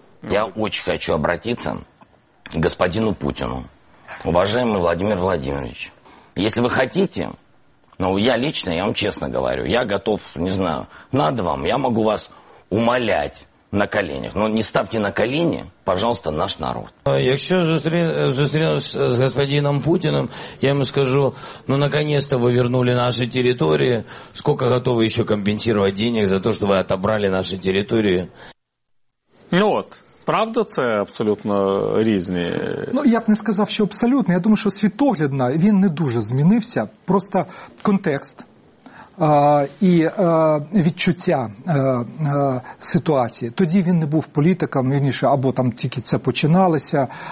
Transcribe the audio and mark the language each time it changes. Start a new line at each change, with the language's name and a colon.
Ukrainian: Я дуже хочу звернутися до господину Путіну.
Russian: Уважаемый Владимир Владимирович, если вы хотите, ну, я лично, я вам честно говорю, я готов, не знаю, надо вам, я могу вас умолять на коленях, но не ставьте на колени, пожалуйста, наш народ. Если встретился с господином Путиным, я ему скажу, ну, наконец-то вы вернули наши территории, сколько готовы еще компенсировать денег за то, что вы отобрали наши территории? Ну вот.
Ukrainian: Правда, це абсолютно різні? Ну, я б не сказав, що абсолютно. Я думаю, що світоглядно він не дуже змінився. Просто контекст і відчуття ситуації. Тоді він не був політиком, раніше або там тільки це починалося.